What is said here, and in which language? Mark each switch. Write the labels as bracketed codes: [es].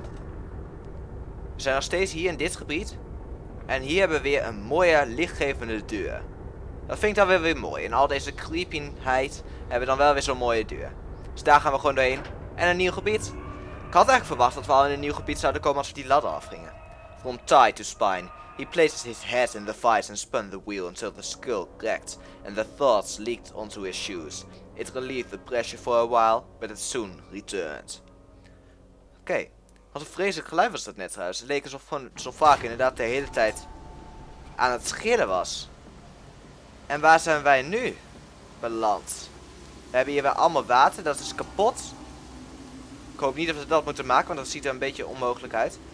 [nl] We zijn nog steeds hier in dit gebied. En hier hebben we weer een mooie lichtgevende deur. Dat vind ik dan weer mooi. In al deze creepyheid hebben we dan wel weer zo'n mooie deur. Dus daar gaan we gewoon doorheen. En een nieuw gebied. Ik had eigenlijk verwacht dat we al in een nieuw gebied zouden komen als we die ladder afgingen. [en] From thigh to spine, he places his head in the vice and spun the wheel until the skull cracked and the thoughts leaked onto his shoes. It relieved the pressure for a while, but it soon returned. [nl] Oké, wat een vreselijk geluid was dat net trouwens. Het leek alsof zo'n vark inderdaad de hele tijd aan het schillen was. En waar zijn wij nu beland? We hebben hier weer allemaal water, dat is kapot. Ik hoop niet dat we dat moeten maken, want dat ziet er een beetje onmogelijk uit.